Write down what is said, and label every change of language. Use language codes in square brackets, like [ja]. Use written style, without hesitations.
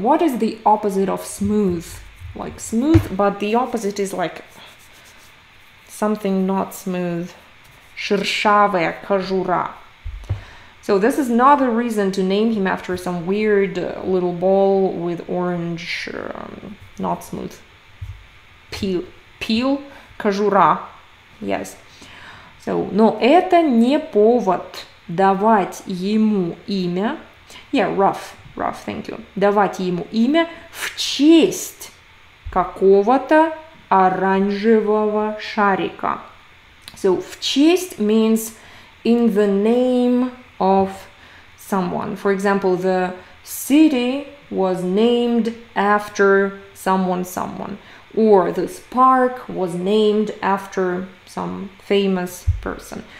[en] What is the opposite of smooth? Like smooth, but the opposite is like something not smooth. [ru] Шершавая кожура. [en] So this is not a reason to name him after some weird little ball with orange, not smooth. Peel, кожура. Yes. [ru] So, но это не повод давать ему имя. [en] Yeah, rough, thank you. [ru] Давать ему имя в честь какого-то оранжевого шарика. [en] So, [ru] в честь [en] means in the name of someone. For example, the city was named after someone. Or this park was named after some famous person.